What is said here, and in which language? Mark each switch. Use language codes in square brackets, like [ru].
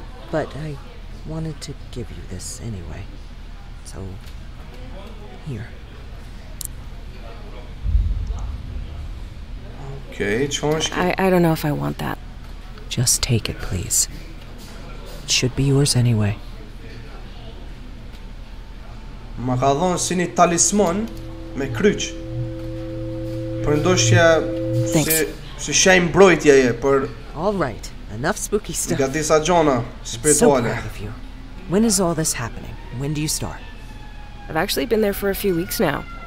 [en] But I wanted to give you this anyway. So, here. Okay, Chomsky. I don't know if I want that. Just take it, please. It should be yours anyway. [sq] Më ka dhënë si një talisman me kryq. Për ndoshja si shenjë mbrojtjeje për... [en] All right, enough spooky stuff. [sq] Nga disa gjona spirituale. [en] So proud of you. When is all this happening? When do you start? I've actually been there for a few weeks now.